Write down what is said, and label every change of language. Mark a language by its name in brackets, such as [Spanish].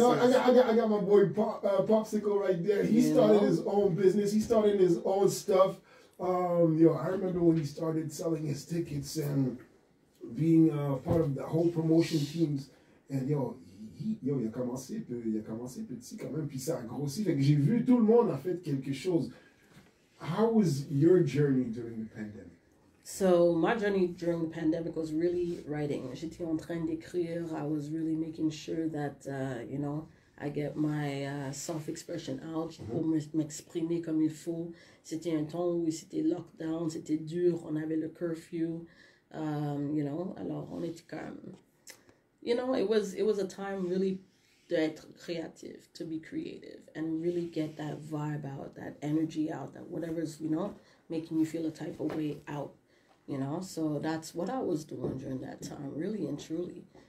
[English] No, I got my boy Popsicle right there. He started his own business. He started his own stuff. I remember when he started selling his tickets and being part of the whole promotion teams. [French] And il a commencé petit quand même, puis ça a grossi. Fait que j'ai vu tout le monde a fait quelque chose. [English] How was your journey during the pandemic? So my journey during the pandemic was really writing. [French] J'étais en train d'écrire. [English] I was really making sure that I get my self-expression out, mm-hmm. [French] pour m'exprimer comme il faut. C'était un temps où c'était lockdown, c'était dur, on avait le curfew, alors on était comme, [English] it was a time really [French] d'être creative, [English] to be creative, and really get that vibe out, that energy out, that whatever's, making you feel a type of way out, so that's what I was doing during that time, really and truly.